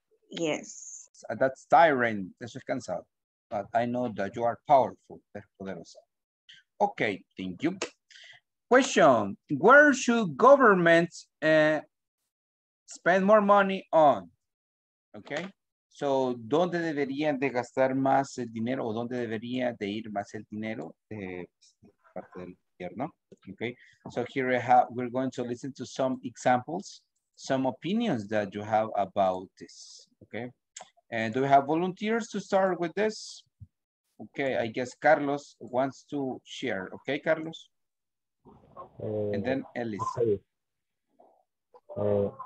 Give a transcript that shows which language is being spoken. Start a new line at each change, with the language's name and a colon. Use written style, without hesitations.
English: Yes. That's tiring,
Spanish: eso es cansado.
English: But I know that you are powerful, poderosa. Okay, thank you. Question, where should governments spend more money on, okay?
Spanish: So, ¿dónde deberían de gastar más el dinero o dónde debería de ir más el dinero de parte del gobierno?
English: Okay. So, here we're going to listen to some examples, some opinions that you have about this. Okay. And do we have volunteers to start with this? Okay. I guess Carlos wants to share. Okay, Carlos. And then Ellis. Okay.